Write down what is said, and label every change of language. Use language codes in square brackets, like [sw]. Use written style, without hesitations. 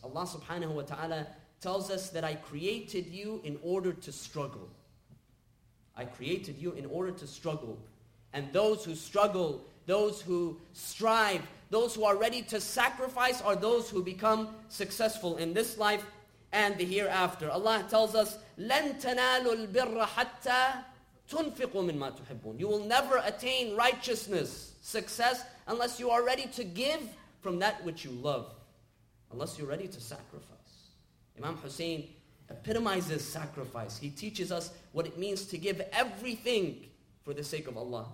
[en] Allah subhanahu wa ta'ala tells us that I created you in order to struggle. I created you in order to struggle. And those who struggle, those who strive, those who are ready to sacrifice are those who become successful in this life and the hereafter. [ar] Allah tells us, لَن تَنَالُوا الْبِرَّ حَتَّى تُنْفِقُوا مِمَّا تُحِبُّونَ. [en] You will never attain righteousness, success, unless you are ready to give from that which you love. Unless you're ready to sacrifice. Imam Hussein epitomizes sacrifice. He teaches us what it means to give everything for the sake of Allah.